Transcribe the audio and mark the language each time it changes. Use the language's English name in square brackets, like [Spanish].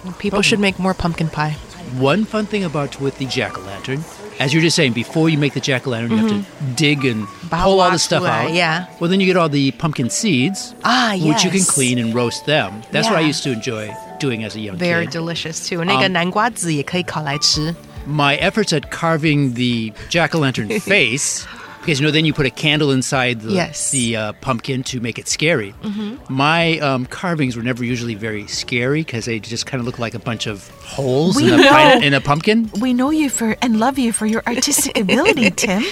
[English] People should make more pumpkin pie. One fun thing about with the jack-o'-lantern, as you're just saying, before you make the jack-o'-lantern, you have to dig and pull all the stuff out. Yeah. Well, then you get all the pumpkin seeds, yes. which you can clean and roast them. That's what I used to enjoy doing as a young very kid. Very delicious, too. [Chinese] 那个南瓜籽也可以烤来吃。 [English] My efforts at carving the jack-o'-lantern face, because, you know, then you put a candle inside the, the pumpkin to make it scary. My carvings were never usually very scary because they just kind of look like a bunch of holes in a pumpkin. We know you for and love you for your artistic ability, Tim.